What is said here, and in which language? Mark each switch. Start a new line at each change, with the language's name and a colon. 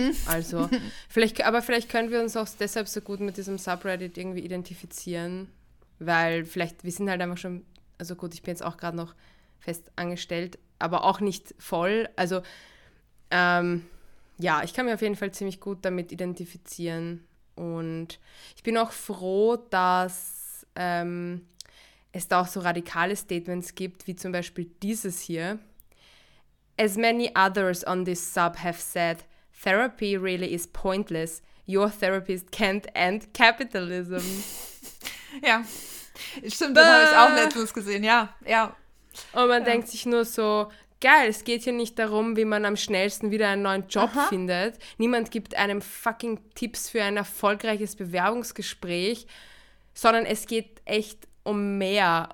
German: Also vielleicht, aber vielleicht können wir uns auch deshalb so gut mit diesem Subreddit irgendwie identifizieren, weil vielleicht, wir sind halt einfach schon, also gut, ich bin jetzt auch gerade noch fest angestellt, aber auch nicht voll. Also ja, ich kann mich auf jeden Fall ziemlich gut damit identifizieren und ich bin auch froh, dass es da auch so radikale Statements gibt, wie zum Beispiel dieses hier.
English: As many others on this sub have said, therapy really is pointless. Your therapist can't end capitalism.
German: Ja, stimmt, das habe ich auch letztens gesehen, ja, ja. Und man denkt sich nur so, geil, es geht hier nicht darum, wie man am schnellsten wieder einen neuen Job findet. Niemand gibt einem fucking Tipps für ein erfolgreiches Bewerbungsgespräch, sondern es geht echt um mehr.